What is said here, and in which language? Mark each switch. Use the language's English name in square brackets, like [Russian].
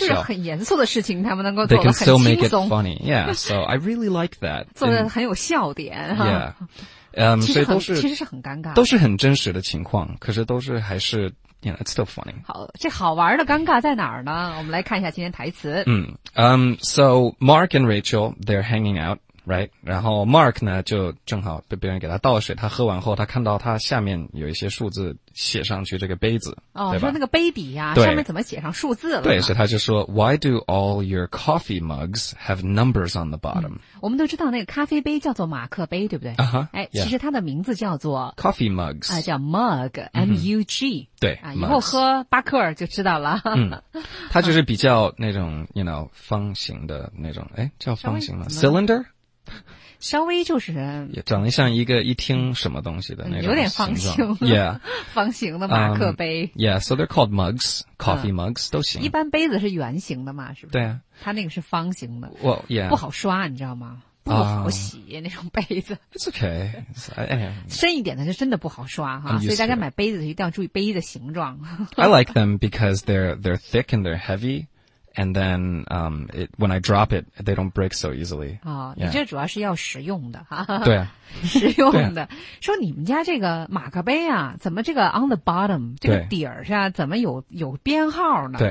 [Chinese] 就是很严肃的事情，他们能够做得很轻松。 [English] They can still make it funny. Yeah, so I really like that. [Chinese] 做得很有笑点。 Yeah. 所以都是其实是很尴尬，都是很真实的情况，可是都是还是 [English] you know, it's still funny. [Chinese] 好，这好玩的尴尬在哪儿呢？我们来看一下今天台词。 [English] 嗯，So Mark and Rachel they're hanging out, right? [Chinese] 然后 Mark 呢就正好被别人给他倒水，他喝完后，他看到他下面有一些数字写上去这个杯子，哦，对吧？说那个杯底呀，上面怎么写上数字了？对，所以他就说 [English] Why do all your coffee mugs have numbers on the bottom? [Chinese] 我们都知道那个咖啡杯叫做马克杯，对不对？ Uh-huh, 哎， [English] yeah. [Chinese] 其实它的名字叫做 [English] coffee mugs， [Chinese] 啊、叫 mug， M U G，对，啊， mugs. 以后喝巴克尔就知道了。嗯，它就是比较那种 [English] you know [Chinese] 方形的那种，哎，叫方形吗 ？Cylinder，稍微就是也长得像一个一听什么东西的那种、嗯，有点方形 [English] ，yeah， [Chinese] 方形的马克杯。 [English] Yeah， so they're called mugs， coffee mugs [Chinese] 都行。一般杯子是圆形的嘛，是不是？对啊。它那个是方形的 [English] well, yeah. [Chinese] 不好刷你知道吗不好洗、那种杯子 [English] It's okay It's, anyway. [Chinese] 深一点的是真的不好刷哈所以大家买杯子一定要注意杯子的形状 [English] I like them because they're thick and they're heavy And then、it, when I drop it They don't break so easily、 [Chinese] 你这主要是要实用的对、实用的说你们家这个马克杯啊怎么这个 [English] on the bottom [Chinese] 这个底儿是、啊、怎么有编号呢